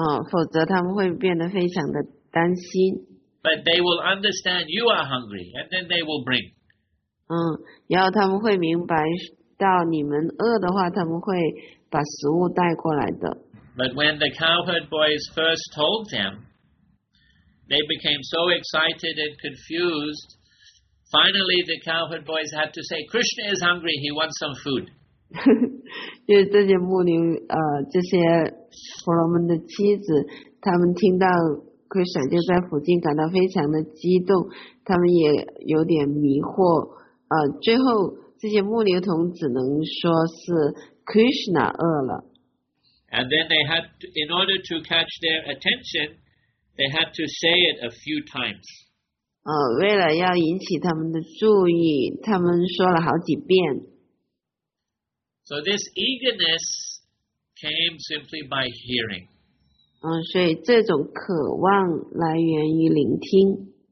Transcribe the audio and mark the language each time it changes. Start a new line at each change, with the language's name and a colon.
Chinese: 否则他们会变得非常的担心。
English: But they will understand you are hungry, and then they will bring.
Chinese: 然后他们会明白到你们饿的话，他们会把食物带过来的。
English: But when the cowherd boys first told them, they became so excited and confused. Finally, the cowherd boys had to say, "Krishna is hungry. He wants some food."
Chinese: 因为这些牧牛这些婆罗门的妻子，他们听到Krishna 就在附近，感到非常的激动，他们也有点迷惑。最后这些牧牛童只能说是 Krishna 饿了。
English: And then they had to, in order to catch their attention, they had to say it a few times.
Chinese: 为了要引起他们的注意，他们说了好几遍。
English: So this eagerness came simply by hearing.
Chinese: 所以这种渴望来源于聆听。